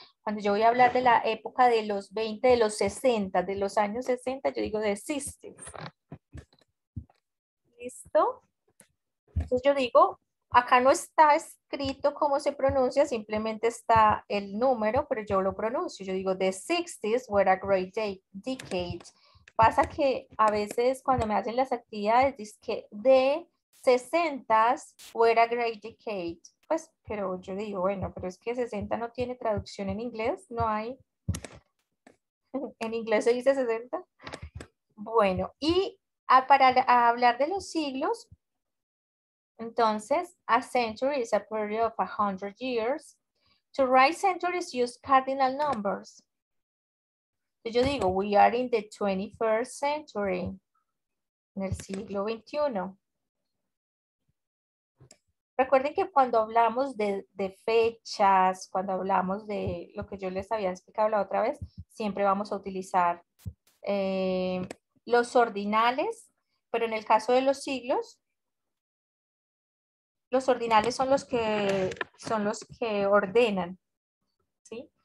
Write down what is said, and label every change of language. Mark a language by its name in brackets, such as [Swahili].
[Spanish] Cuando yo voy a hablar de la época de los 20, de los 60, de los años 60, yo digo de 60s. ¿Listo? Entonces yo digo, acá no está escrito cómo se pronuncia, simplemente está el número, pero yo lo pronuncio. Yo digo, [English] the 60s were a great decade. [Spanish] Pasa que a veces cuando me hacen las actividades, dice que [English] the 60s were a great decade. [Spanish] Pues, pero yo digo, bueno, pero es que 60 no tiene traducción en inglés, no hay. ¿En inglés se dice 60? Bueno, y para hablar de los siglos, entonces, [English] a century is a period of 100 years. To write centuries, use cardinal numbers. [Spanish] Yo digo, [English] we are in the 21st century. [Spanish] En el siglo XXI. Recuerden que cuando hablamos de fechas, cuando hablamos de lo que yo les había explicado la otra vez, siempre vamos a utilizar los ordinales, pero en el caso de los siglos, los ordinales son los que ordenan, ¿sí?